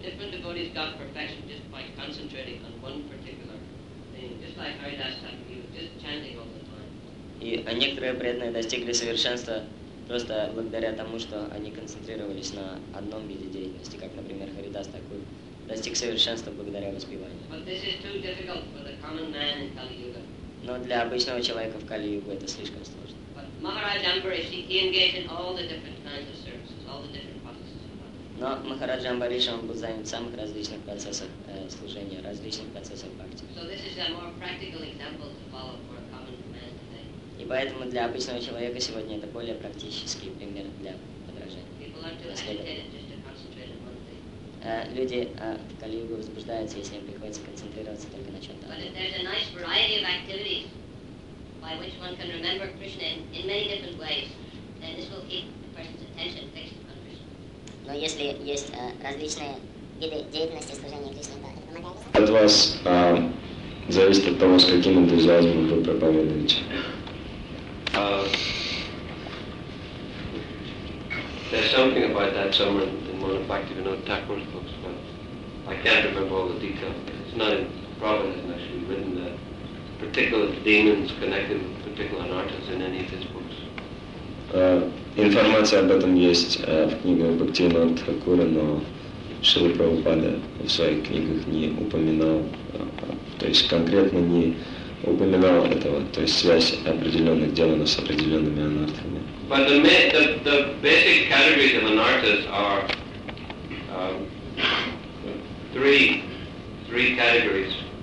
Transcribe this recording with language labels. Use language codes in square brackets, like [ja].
[en] Different devotees got perfection just by concentrating on one particular thing, just like Haridas Thakur, just chanting all the time. [ru] И некоторые преданные достигли совершенства просто благодаря тому, что они концентрировались на одном виде деятельности, как, например, Харидас Такур достиг совершенства благодаря воспеванию. [en] But this is too difficult for the common man in Kali-Yuga. [ru] Но для обычного человека в Кали-Югу это слишком сложно. [en] But Maharaj Ambarish, he engaged in all the different kinds of services, all the different processes of bhakti. [ru] Но Махарадж Амбариш, он был занят в самых различных процессах служения, различных процессах бхакти. [en] So this is a more practical example to follow for a common man today. [ru] И поэтому для обычного человека сегодня это более практический пример для подражания. [en] People are too agitated just to concentrate on one thing. [ru] Люди в Кали-Югу возбуждаются, если им приходится концентрироваться только на чем-то. [en] But if there's a nice variety of activities by which one can remember Krishna in many different ways, then this will keep the person's attention fixed on Krishna. [ru] Но если есть различные виды деятельности служения Кришне, то это помогает? От вас зависит от того, с каким энтузиазмом вы проповедуете. [en] There's something about that someone in one of Bhakti Vinod Thakur's books, but I can't remember all the details. It's not in Prabhupada's actually written that particular demons connected with particular artists in any of his books. [ru] Информация об этом есть в книгах Бхакти Винод Такура, но Шрила Прабхупада в своих книгах не упоминал, то есть конкретно не упоминал этого, то есть связь определенных демонов с определенными анартами. [en] But the basic categories of an artist are three categories.